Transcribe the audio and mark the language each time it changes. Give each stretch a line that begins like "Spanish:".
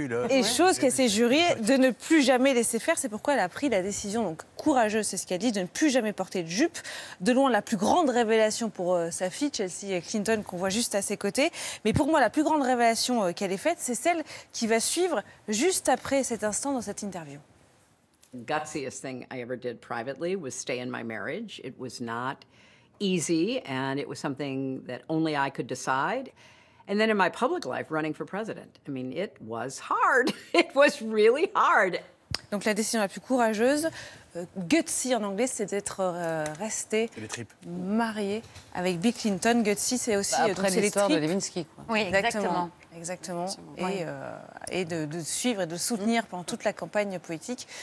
French: Et chose qu'elle s'est jurée de ne plus jamais laisser faire. C'est pourquoi elle a pris la décision, donc courageuse, c'est ce qu'elle dit, de ne plus jamais porter de jupe. De loin, la plus grande révélation pour sa fille, Chelsea Clinton, qu'on voit juste à ses côtés. Mais pour moi, la plus grande révélation qu'elle ait faite, c'est celle qui va suivre juste après cet instant dans cette interview.
English: The gutsiest thing I ever did privately was stay in my marriage. It was not easy, and it was something that only I could decide. And then in my public life, running for president, I mean, it was hard. It was really hard.
French: Donc la décision la plus courageuse, gutsy en anglais, c'est d'être resté marié avec Bill Clinton. Gutsy, c'est aussi après l'histoire de Lewinsky. Oui, exactement. Exactement. Et, de suivre et de soutenir pendant toute la campagne politique.